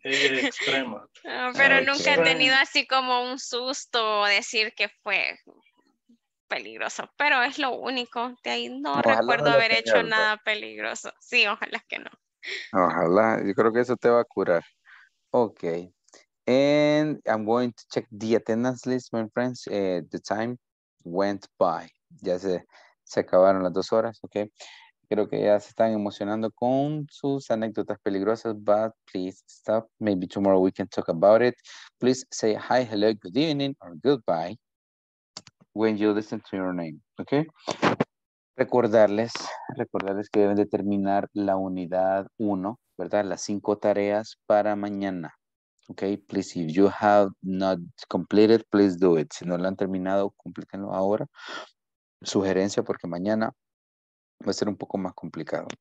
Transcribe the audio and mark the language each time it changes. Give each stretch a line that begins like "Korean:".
Spanish: Extrema. Pero okay. Nunca he tenido así como un susto o decir que fue peligroso, pero es lo único. De ahí no ojalá recuerdo haber hecho peor, nada peligroso. Sí, ojalá que no. Ojalá, yo creo que eso te va a curar. Ok.
English: And I'm going to check the attendance list, my friends. The time went by.
Spanish: Ya se acabaron las 2 horas, ok. Creo que ya se están emocionando con sus anécdotas peligrosas,
English: but please stop. Maybe tomorrow we can talk about it. Please say hi, hello, good evening, or goodbye when you listen to your name, ok.
Spanish: Recordarles que deben de terminar la unidad 1, ¿verdad? Las 5 tareas para mañana, ok.
English: Please, if you have not completed, please do it.
Spanish: Si no lo han terminado, complétenlo ahora. Sugerencia, porque mañana va a ser un poco más complicado.